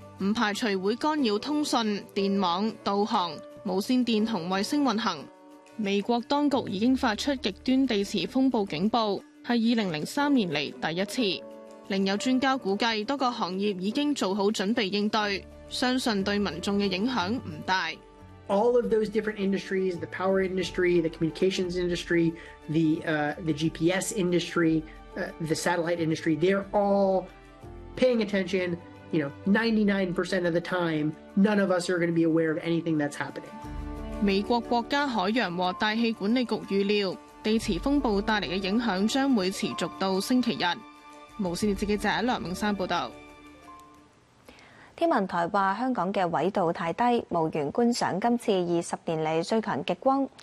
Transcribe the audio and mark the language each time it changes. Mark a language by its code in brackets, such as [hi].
[yue] 不排除会干扰通讯、电网、导航、无线电和卫星运行。美国当局已经发出极端地磁风暴警报，是2003年来第一次。另有专家估计，多个行业已经做好准备应对，相信对民众的影响不大。 [en] All of those different industries, the power industry, the communications industry, the GPS industry, the satellite industry, they're all paying attention. You know, 99% of the time, none of us are going to be aware of anything that's happening. [yue] 美国国家海洋和大气管理局预料，地磁风暴带来的影响将会持续到星期日。无线电视记者梁永山报道。天文台话，香港的纬度太低，无缘观赏今次20年来最强极光。